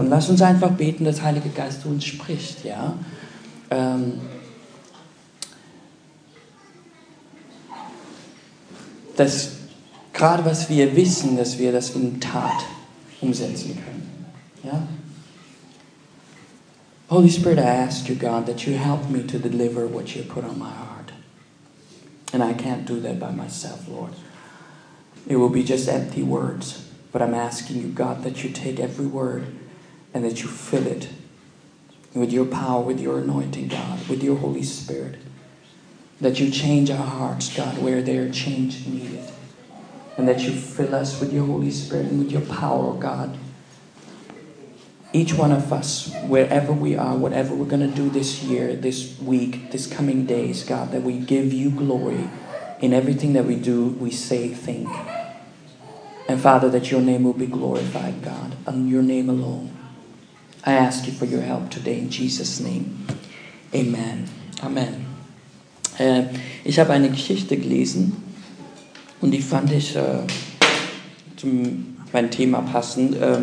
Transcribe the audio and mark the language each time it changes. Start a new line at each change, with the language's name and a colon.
German: Und lasst uns einfach beten, dass Heilige Geist uns spricht. Ja? Dass gerade was wir wissen, dass wir das in Tat umsetzen können. Ja?
English: Holy Spirit, I ask you, God, that you help me to deliver what you put on my heart. And I can't do that by myself, Lord. It will be just empty words, but I'm asking you, God, that you take every word and that you fill it with your power, with your anointing, God, with your Holy Spirit, that you change our hearts, God, where they are changed and needed, and that you fill us with your Holy Spirit and with your power, God. Each one of us, wherever we are, whatever we're going to do this year, this week, this coming days, God, that we give you glory in everything that we do, we say, think. And Father, that your name will be glorified, God, and your name alone. I ask you for your help today in Jesus' name. Amen. Amen.
German: Ich habe eine Geschichte gelesen und die fand ich zum mein Thema passend.